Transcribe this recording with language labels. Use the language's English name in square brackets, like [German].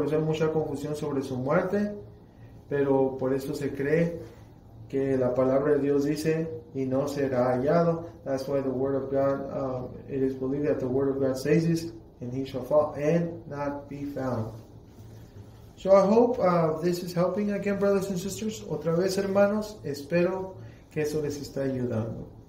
[Spanish] Por eso hay mucha confusión sobre su muerte, pero por eso se cree que la palabra de Dios dice y no será hallado. [English] That's why the word of God, it is believed that the word of God says this, and he shall fall and not be found. So I hope this is helping again, brothers and sisters. [Spanish] Otra vez, hermanos, espero que eso les está ayudando.